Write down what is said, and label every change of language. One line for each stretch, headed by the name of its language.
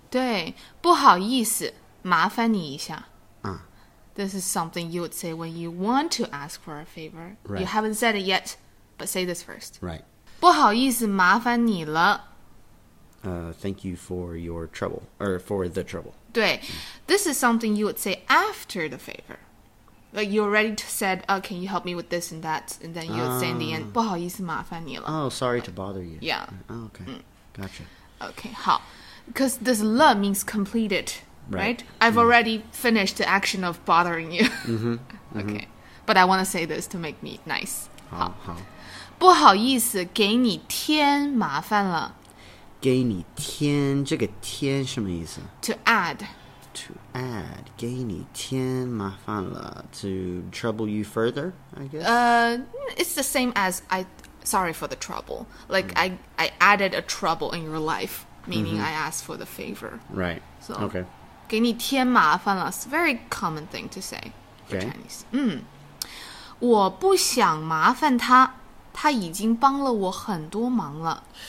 Chinese: 对, 不好意思,麻烦你一下.
English: This is something you would say when you want to ask for a favor. Right. You haven't said it yet, but say this first. Right.
Chinese: 不好意思,麻烦你了。
English: Thank you for your trouble, or for the trouble. 对, this is something you would say after the favor. Like, you already said, oh, can you help me with this and that? And then you would say in the end,
Chinese: 不好意思,麻烦你了。
English: Oh, sorry to bother you. Yeah. Oh, okay. Gotcha. Okay, 好.Because this 了 means completed, right? I've already finished the action of bothering you. Okay. But I want to say this to make me nice.
Chinese: 好。不好意思,给你添麻烦了。给你添,这个添什么意思?
English: To add. To add,
Chinese: 给你添麻烦了。
English: To trouble you further, I guess? It's the same as, sorry for the trouble. Like, I added a trouble in your life, meaning I asked for the favor. Right, so, okay.
Chinese: 给你添麻烦了,
English: it's a very common thing to say for Chinese.
Chinese: 我不想麻烦他。他已经帮了我很多忙了。